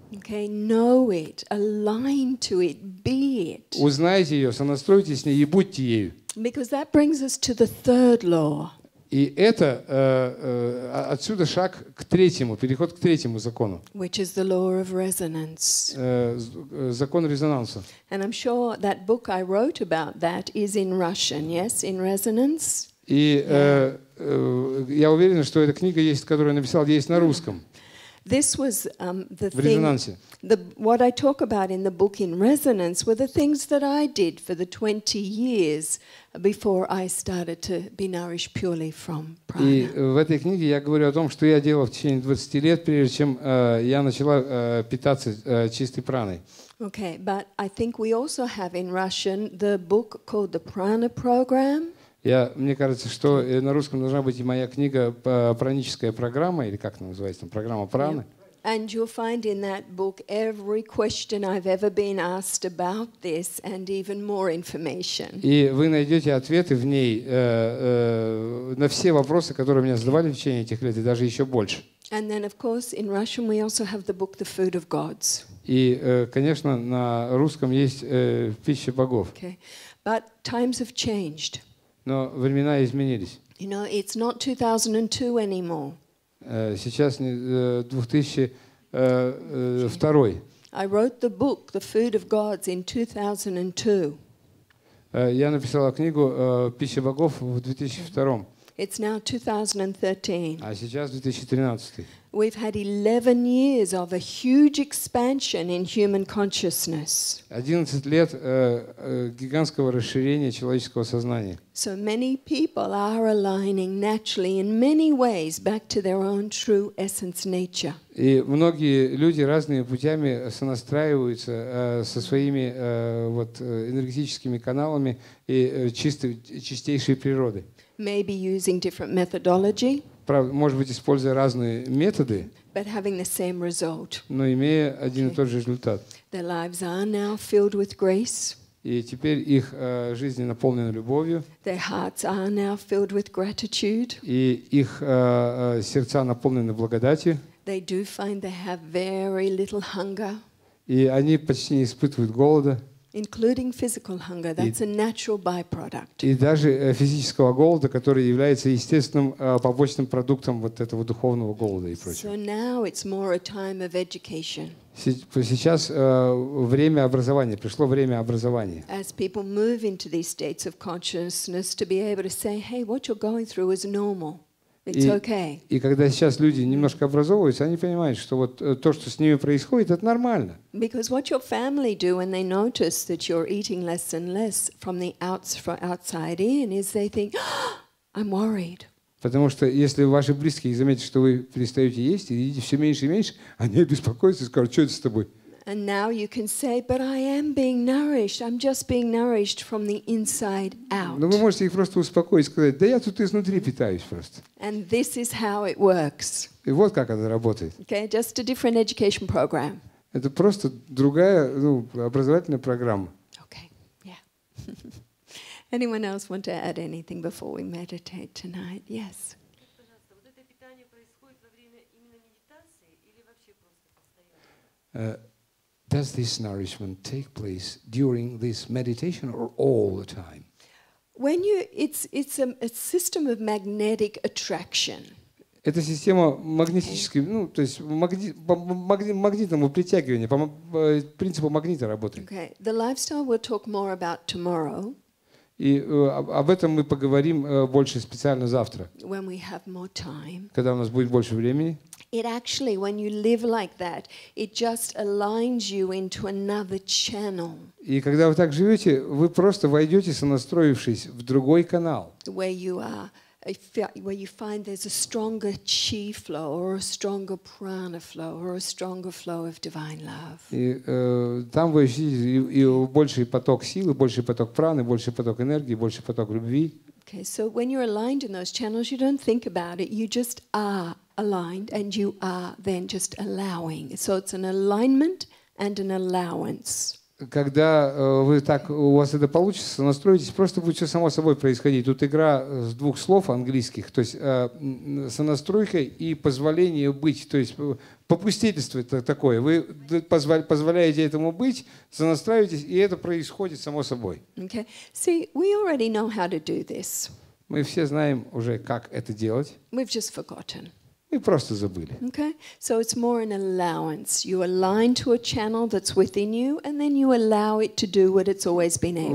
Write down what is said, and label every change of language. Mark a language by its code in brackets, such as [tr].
[en] Okay, know it, align to it, be it. [ru] Узнайте ее, сонастройтесь с ней и будьте ею. [en] Because that brings us to the third law. [ru] И это отсюда шаг к третьему, переход к третьему закону. [en] Which is the law of resonance. [ru] Закон резонанса. [en] And I'm sure that book I wrote about that is in Russian, yes, in resonance. [ru] И я уверен, что эта книга есть, которую я написал, есть на русском. [en] This was the thing. The what I talk about in the book in resonance were the things that I did for the 20 years before I started to be nourished purely from prana. [ru] И в этой книге я говорю о том, что я делал в течение 20 лет, прежде чем я начала питаться чистой праной. [en] Okay, but I think we also have in Russian the book called the Prana Program. [ru] Мне кажется, что на русском должна быть и моя книга «Праническая программа», или как она называется, «Программа праны». [en] And you'll find in that book every question I've ever been asked about this and even more information. [ru] И вы найдете ответы в ней на все вопросы, которые меня задавали в течение этих лет, и даже еще больше. [en] And then, of course, in Russian we also have the book «The Food of Gods». [ru] И, конечно, на русском есть «Пища богов». [en] Okay. But times have changed. [ru] Но времена изменились. [en] You know, it's not 2002 anymore. [ru] Сейчас не 2002. [en] I wrote the book, The Food of Gods, in 2002. [ru] Я написала книгу «Пища богов» в 2002. [en] It's now 2013. [ru] А сейчас 2013. [en] We've had 11 years of a huge expansion in human consciousness. [ru] 11 лет гигантского расширения человеческого сознания. [en] So many people are aligning naturally in many ways back to their own true essence nature. [ru] И многие люди разными путями сонастраиваются со своими энергетическими каналами и чистейшей природой. [en] Maybe using different methodology. [ru] Может быть, используя разные методы. [en] But having the same result. [ru] Но имея один и тот же результат. [en] Their lives are now filled with grace. [ru] И теперь их жизни наполнены любовью. [en] Their hearts are now filled with gratitude. [ru] И их сердца наполнены благодатью. [en] They do find they have very little hunger. [ru] И они почти не испытывают голода. [en] Including physical hunger, that's a natural byproduct. [ru] И даже физического голода, который является естественным побочным продуктом вот этого духовного голода и прочего. [en] So now it's more a time of education. [ru] Сейчас время образования, пришло время образования. [en] As people move into these states of consciousness to be able to say, hey, what you're going through is normal. It's okay. [ru] И когда сейчас люди немножко образовываются, они понимают, что вот то, что с ними происходит, это нормально. [en] Because what your family do when they notice that you're eating less and less from outside in is they think, I'm worried. [ru] Потому что если ваши близкие заметят, что вы перестаете есть, и едите все меньше и меньше, они беспокоятся и скажут, что это с тобой. [en] And now you can say, but I am being nourished. I'm just being nourished from the inside out. [ru] Но вы можете их просто успокоить, сказать, да я тут изнутри питаюсь просто. [en] And this is how it works. [ru] И вот как это работает. [en] Okay, just a different education program. [ru] Это просто другая, ну, образовательная программа. [en] Okay, yeah. Anyone else want to add anything before we meditate tonight? Yes. Does this nourishment take place during this meditation or all the time? When you, it's a system of magnetic attraction. [ru] Это система магнетической, ну, то есть магнитному притягиванию, по принципу магнита работает. [en] Okay. The lifestyle we'll talk more about tomorrow. [ru] И об этом мы поговорим больше специально завтра. [en] When we have more time. [ru] Когда у нас будет больше времени. [en] It actually, when you live like that, it just aligns you into another channel. [ru] И когда вы так живете, вы просто войдете, сонастроившись, в другой канал. [en] Where you are, where you find there's a stronger chi flow or a stronger prana flow or a stronger flow of divine love. [ru] И там вы ощутите и больший поток силы, больший поток праны, больший поток энергии, больший поток любви. [en] Okay, so when you're aligned in those channels, you don't think about it, you just are. Aligned, and you are then just allowing. So it's an alignment and an allowance. [ru] Когда вы так у вас это получится, настроитесь, просто будет все само собой происходить. Тут игра с двух слов английских, то есть сонастройка и позволение быть, то есть попустительство такое. Вы позволяете этому быть, сонастраиваетесь, и это происходит само собой. [en] Okay. See, we already know how to do this. [ru] Мы все знаем уже, как это делать. [en] We've just forgotten. [ru] И просто забыли. [en] Okay, so it's more an allowance. You align to a channel that's within you, and then you allow it to do what it's always been able to do.